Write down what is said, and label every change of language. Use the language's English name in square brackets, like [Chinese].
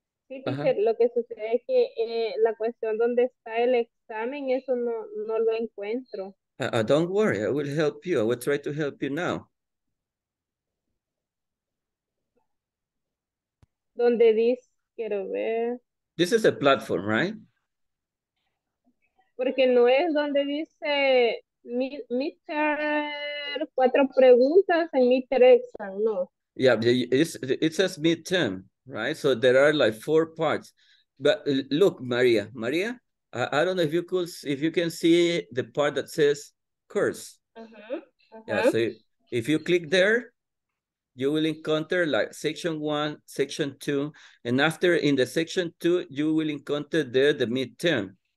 [Spanish] Sí, teacher, lo que sucede es que la cuestión donde está el examen, eso no lo encuentro. [English] Don't worry, I will help you. I will try to help you now. [Spanish] Donde dice, quiero ver. [English] This is a platform, right? [Spanish] Porque no es donde dice midterm, cuatro preguntas en midterm exam, no. [English] Yeah, it says midterm. Right, so there are like four parts, but look, Maria, I don't know if you could, if you can see the part that says course. Uh-huh. Uh-huh. Yeah, so if you click there, you will encounter like section one, section two, and after in the section two, you will encounter there the midterm.